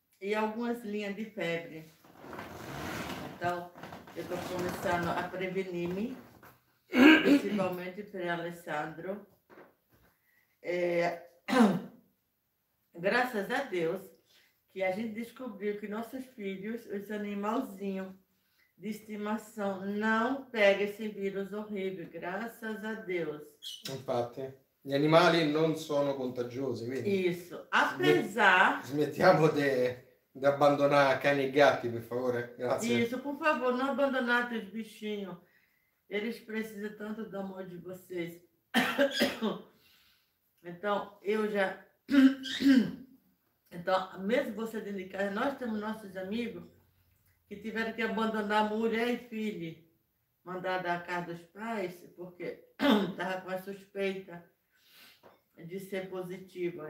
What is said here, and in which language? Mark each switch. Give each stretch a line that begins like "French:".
Portuguese: e algumas linhas de febre. Então, eu estou começando a prevenir-me, principalmente para Alessandro. Graças a Deus que a gente descobriu que nossos filhos, os animalzinhos de estimação, não pegam esse vírus horrível. Graças a Deus.
Italian: Infatti, gli animali non sono contagiosi, quindi.
Portuguese: Isso. Apesar.
Italian: Smettiamo di abbandonare cani e gatti, per favore. Grazie.
Portuguese: Isso, por favor, não
Italian: abbandonate
Portuguese: os bichinhos. Eles precisam tanto do amor de vocês. Então, eu já. Então, mesmo você dentro de casa, nós temos nossos amigos que tiveram que abandonar mulher e filho, mandar da casa dos pais, porque estava com a suspeita de ser positiva.